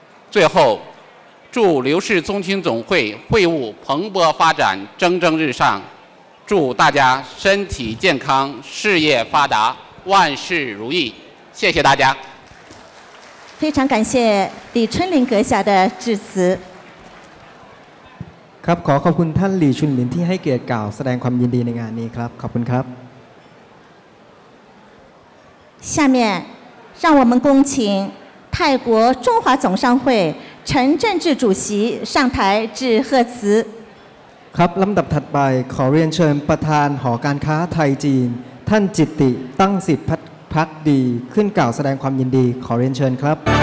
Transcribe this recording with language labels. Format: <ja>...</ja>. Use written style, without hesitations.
<zh>最后，祝刘氏宗亲总会会务蓬勃发展，蒸蒸日上，祝大家身体健康，事业发达，万事如意，谢谢大家。非常感谢李春林阁下的致辞。</zh> <th>ครับขอขอบคุณท่านหลีชุนหลินที่ให้เกียรติกล่าวแสดงความยินดีในงานนี้ครับขอบคุณครับ</th> <zh>下面让我们恭请泰国中华总商会陈振志主席上台致贺词</zh> <th>ครับลำดับถัดไปขอเรียนเชิญประธานหอการค้าไทยจีนท่านจิตติตั้งสิทธิ์พักดีขึ้นกล่าวแสดงความยินดีขอเรียนเชิญครับ</th>